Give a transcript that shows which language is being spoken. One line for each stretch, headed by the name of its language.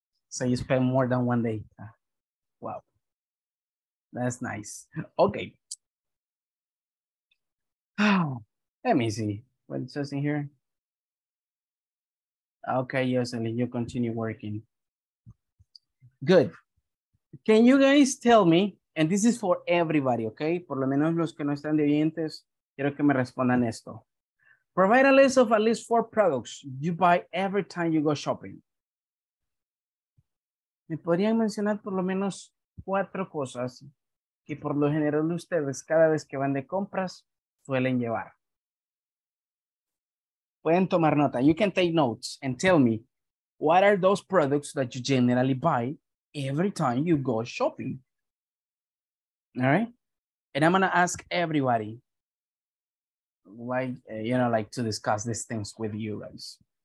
English: So you spend more than one day. Wow. That's nice. Okay. Let me see. What it says in here? Okay, Yoseli, you continue working. Good. Can you guys tell me, and this is for everybody, okay?
Spanish: Por lo menos los que no están de oyentes, quiero que me respondan esto.
English: Provide a list of at least 4 products you buy every time you go shopping.
Spanish: ¿Me podrían mencionar por lo menos 4 cosas que por lo general ustedes cada vez que van de compras suelen llevar? Pueden tomar nota.
English: You can take notes and tell me what are those products that you generally buy every time you go shopping. All right. And I'm going to ask everybody why, you know, like to discuss these things with you guys.